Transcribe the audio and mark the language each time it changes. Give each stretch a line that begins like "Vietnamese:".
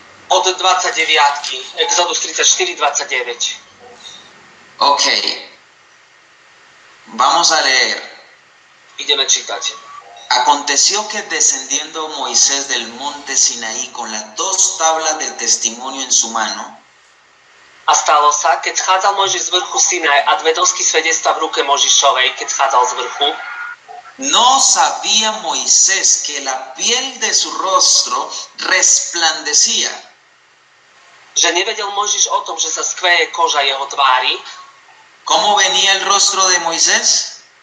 Slovak: Od 29. Exodus 34, 29. Ok.
Spanish: Vamos a leer.
Slovak: Ideme čítať.
Spanish: Aconteció que descendiendo Moisés del monte Sinaí con las dos tablas del testimonio en su mano.
Slovak: A stalo sa, keď schádzal Mojžiš z vrchu Sinaj a dve dosky svedectva v ruke Mojžišovej, keď schádzal z vrchu.
Spanish: No sabía Moisés que la piel de su rostro resplandecía.
Slovak: Že nevedel Mojžiš o tom, že sa skveje koža jeho tvári.
Spanish: ¿Cómo venía el rostro de Moisés?